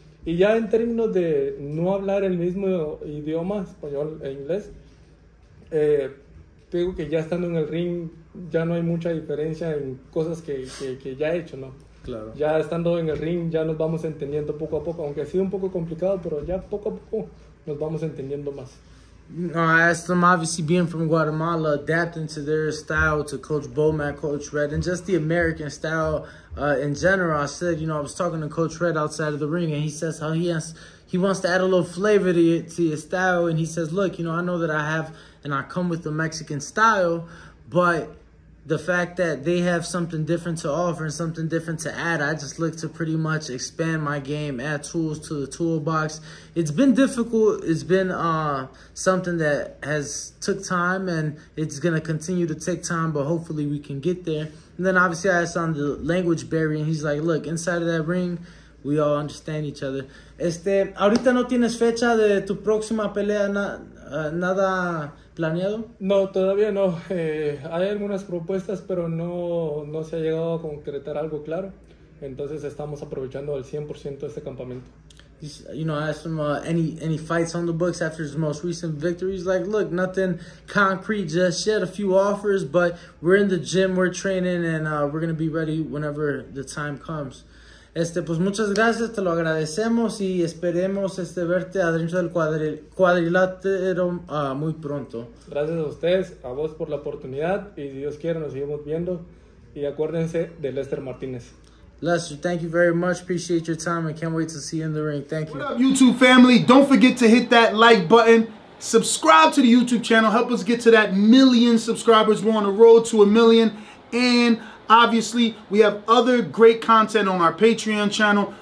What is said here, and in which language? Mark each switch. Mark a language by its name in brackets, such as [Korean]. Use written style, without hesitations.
[Spanish] Y ya en términos de no hablar el mismo idioma, español e inglés, digo que ya estando en el ring ya no hay mucha diferencia en cosas que ya he hecho, ¿no? Claro. Ya estando en el ring ya nos vamos entendiendo poco a poco, aunque ha sido un poco complicado, pero ya poco a poco nos vamos entendiendo más. [English] No, I asked them, obviously being from Guatemala, adapting to their style to Coach Bomack, Coach Red, and just the American style in general. I said, you know, I was talking to Coach Red outside of the ring, and he says how he wants to add a little flavor to your style. And he says, look, you know, I know that I have and I come with the Mexican style, but the fact that they have something different to offer and something different to add, I just look to pretty much expand my game, add tools to the toolbox. It's been difficult. It's been something that has took time, and it's gonna continue to take time, but hopefully we can get there. And then obviously I asked on the language barrier, and he's like, look, inside of that ring, we all understand each other. [Spanish] Ahorita no tienes fecha de tu próxima pelea, nada planeado. No, todavía no. Hay algunas propuestas, pero no se ha llegado a concretar algo claro. Entonces estamos aprovechando al 100% este campamento. [English] You know, I asked him any fights on the books after his most recent victory. He's like, look, nothing concrete just yet. A few offers, but we're in the gym, we're training, and we're gonna be ready whenever the time comes. [Spanish] Pues muchas gracias, te lo agradecemos y esperemos verte adentro del cuadrilátero muy pronto. Gracias a ustedes, a vos por la oportunidad y si Dios quiere nos seguimos viendo. Y acuérdense de Lester Martínez. [English] Lester, thank you very much. Appreciate your time and can't wait to see you in the ring. Thank you. What up, YouTube family? Don't forget to hit that like button. Subscribe to the YouTube channel. Help us get to that 1,000,000 subscribers. We're on the road to 1,000,000. And obviously, we have other great content on our Patreon channel.